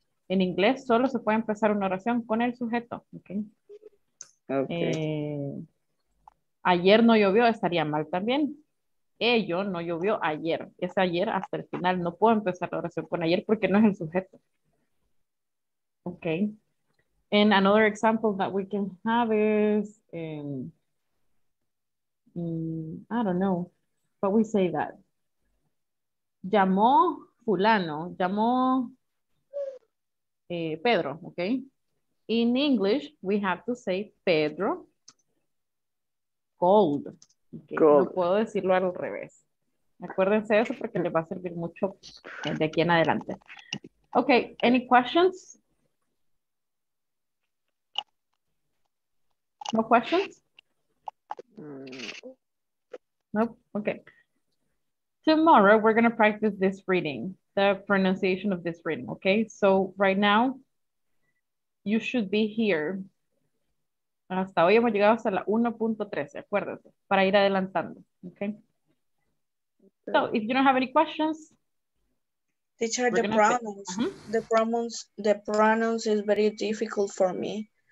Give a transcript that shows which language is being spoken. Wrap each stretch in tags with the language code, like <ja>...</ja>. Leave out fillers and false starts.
<es>En inglés solo se puede empezar una oración con el sujeto, ¿ok? Ok. Ayer no llovió, estaría mal también. Ello no llovió ayer. Es ayer hasta el final. No puedo empezar la oración con ayer porque no es el sujeto. Ok.</es> <en>And another example that we can have is, I don't know, but we say that.</en> <es>Llamó fulano, llamó Pedro, okay?</es> <en>In English, we have to say Pedro called. Okay? Called.</en> <es>No puedo decirlo al revés. Acuérdense eso porque les va a servir mucho de aquí en adelante.</es> <en>Okay, any questions? No questions? Nope, okay. Tomorrow we're gonna practice this reading, the pronunciation of this reading, okay? So right now, you should be here.</en> <es>Hasta hoy hemos llegado hasta la 1.13, acuérdense, para ir adelantando, okay?</es> <en>So if you don't have any questions. Teacher, the pronouns is very difficult for me.</en>